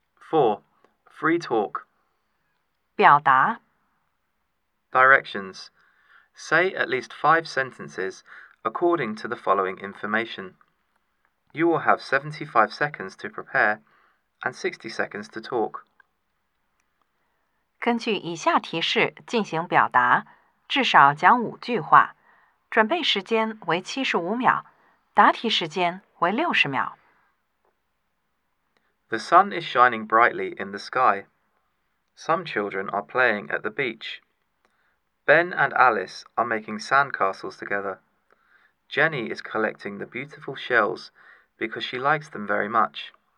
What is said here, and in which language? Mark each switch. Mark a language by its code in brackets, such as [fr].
[en] 4. Free talk. [zh] 表达。 [en] Directions. Say at least 5 sentences according to the following information. You will have 75 seconds to prepare and 60 seconds to talk. [zh] 根据以下提示进行表达，至少讲五句话，准备时间为75秒，答题时间为60秒。 [en] The sun is shining brightly in the sky. Some children are playing at the beach. Ben and Alice are making sandcastles together. Jenny is collecting the beautiful shells because she likes them very much.